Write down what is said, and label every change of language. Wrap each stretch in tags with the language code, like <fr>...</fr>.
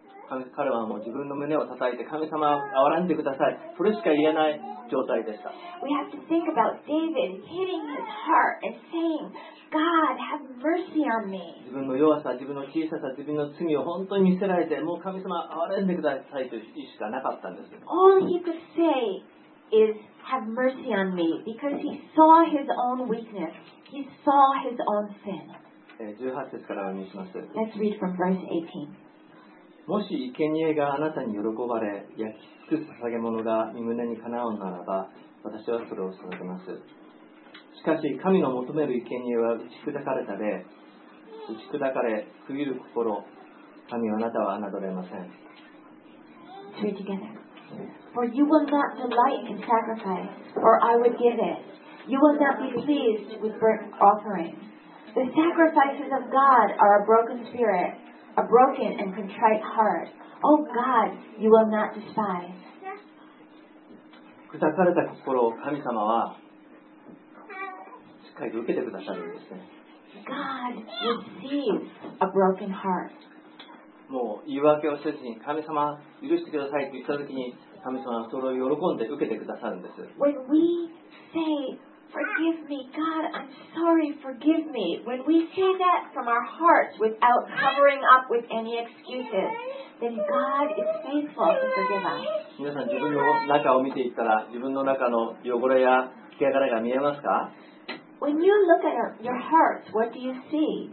<ja>彼はもう自分の胸を叩いて神様憐れんでください、それしか言えない状態でした。</ja> <en>We have to think about David hitting his heart and saying, God, have mercy on me.</en> <ja>自分の弱さ、自分の小ささ、自分の罪を本当に見せられて、もう神様憐れんでくださいという意しかなかったんです。</ja> <en>All he could say is, have mercy on me, because he saw his own weakness. He saw his own sin.</en> <ja>18節から読みします。</ja> <en>Let's read from verse 18.</en> <ja>もし生贄があなたに喜ばれ、焼き尽くす捧げ物が御胸にかなうならば、私はそれを捧げます。しかし神の求める生贄は打ち砕かれたで、打ち砕かれ悔いる心、神はあなたは侮れません。</ja> <en>Let's read together. For you will not delight in sacrifice, or I would give it. You will not be pleased with burnt offeringsThe sacrifices of God are a broken spirit, a broken and contrite heart. O God, you will not despise.</en> <ja>砕かれた心を神様はしっかりと受けてくださるんですね。</ja> <en>God receives a broken heart.</en> <ja>もう言い訳をせずに神様許してくださいと言ったときに、神様はそれを喜んで受けてくださるんです。</ja> <en>When we say,Forgive me, God, I'm sorry, forgive me. When we say that from our hearts without covering up with any excuses, then God is faithful to forgive us.</en> <ja>皆さん、自分の中を見ていったら、自分の中の汚れや汚れが見えますか?</ja> <en>When you look at your hearts, what do you see?</en>